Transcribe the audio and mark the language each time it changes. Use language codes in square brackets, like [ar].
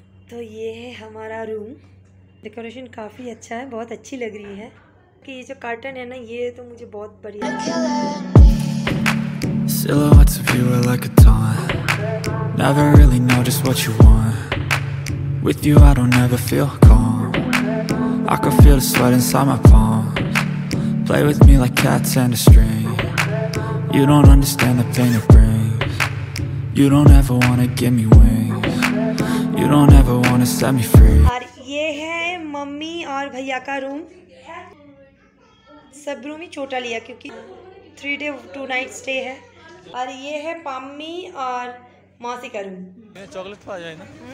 [hi] तो ये है हमारा रूम, डेकोरेशन काफ़ी अच्छा है, बहुत अच्छी लग रही है कि ये जो कर्टन है ना, ये तो मुझे बहुत बढ़िया। [en] Silhouettes of you are like a taunt. Never really know just what you want. With you I don't ever feel calm. I can feel the sweat inside my palms. Play with me like cats and a string. You don't understand the pain it brings. You don't ever wanna give me wings. You don't ever wanna set me free. [hi] और ये है mummy और भैया का room. सब room ही छोटा लिया क्योंकि 3-2 नाइट स्टे है। और ये है पम्मी और मौसी का रूम। चॉकलेट आ जाए ना।